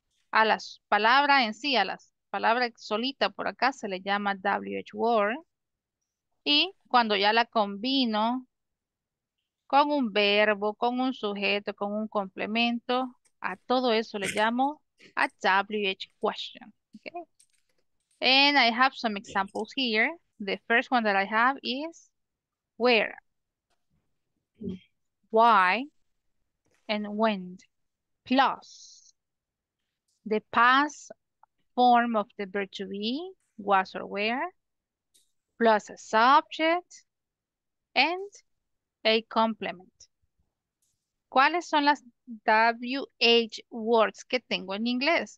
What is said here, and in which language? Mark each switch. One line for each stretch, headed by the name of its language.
Spanish: A las palabras en sí, a las palabras solita por acá se le llama WH word. Y cuando ya la combino con un verbo, con un sujeto, con un complemento, a todo eso le llamo a WH question.
English: Okay? And I have some examples here. The first one that I have is where, why, and when, plus the past form of the verb to be, was or were, plus a subject, and a complement.
Spanish: ¿Cuáles son las WH words que tengo en inglés?